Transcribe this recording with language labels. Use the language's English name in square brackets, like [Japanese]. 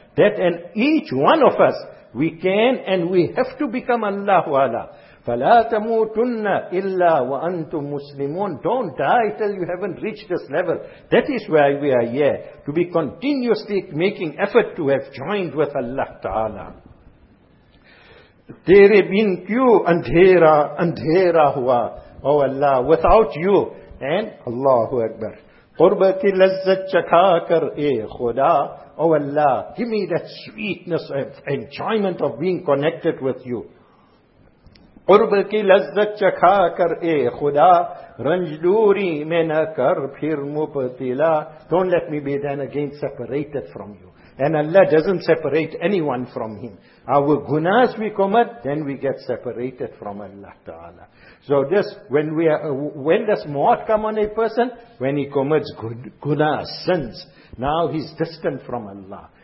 [English] That and each one of us, we can and we have to become Allah wala. [Arabic] فَلَا تَمُوتُنَّ إِلَّا وَأَنْتُمْ مُسْلِمُونَ [English] Don't die till you haven't reached this level. That is why we are here. To be continuously making effort to have joined with Allah Ta'ala. [Urdu] تیرے بین کیوں اندھیرا اندھیرا ہوا [English] O Allah, without you. And Allahu Akbar. [Urdu] قُرْبَتِ لَزَّتْ چَكَا کر اے خدا [English] O Allah, give me that sweetness and enjoyment of being connected with you. [Urdu] قرب کی لذت چکھا کر اے خدا رنجدوری میں نہ کر پھر مبتلا [English] Don't let me be then again separated from you. And Allah doesn't separate anyone from Him. Our gunas we commit, then we get separated from Allah Ta'ala. So this, when does maut come on a person? When he commits gunas, sins. Now he's distant from Allah.